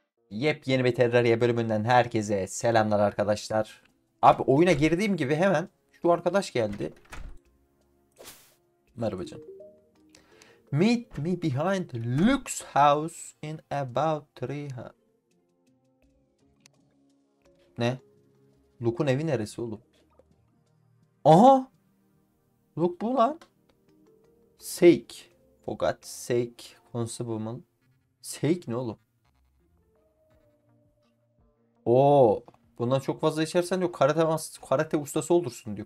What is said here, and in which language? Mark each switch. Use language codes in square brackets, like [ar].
[tr] Yepyeni bir Terraria bölümünden herkese selamlar arkadaşlar. Abi oyuna girdiğim gibi hemen şu arkadaş geldi. Merhaba canım. [en] Meet me behind Luke's house in about 3 hours. [tr] Ne? Luke'un evi neresi oğlum? Aha! Luke bu lan. Sake. Fogat, Sake, Constable. Sake ne oğlum? O, bundan çok fazla içersen diyor karate ustası olursun diyor.